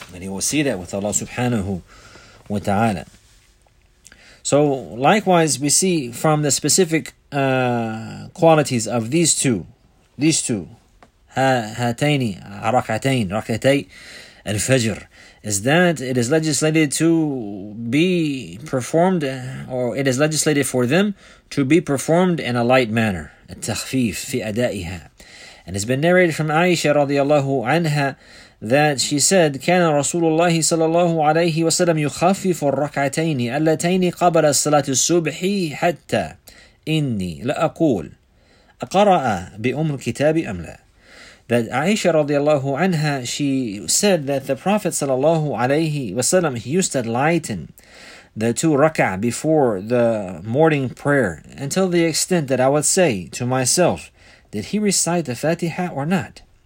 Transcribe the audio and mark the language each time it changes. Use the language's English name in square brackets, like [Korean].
[English] And he will see that with Allah subhanahu wa ta'ala. So likewise, we see from the specific qualities of these two, hatayni, rakatayn, rakatay al-fajr, is that it is legislated to be performed, or it is legislated for them to be performed in a light manner, [Arabic] التخفيف في أدائها. [English] And it's been narrated from Aisha radiallahu anha that she said, [Arabic] كان رسول الله صلى الله عليه وسلم يخفف الركعتين اللتين قبل الصلاة الصبح حتى إني لأقول أقرأ بأم الكتاب أم لا. [English] That Aisha radiallahu anha, she said that the Prophet sallallahu alayhi wasallam, he used to lighten the two rak'ah before the morning prayer until the extent that I would say to myself, did he recite the Fatiha or not?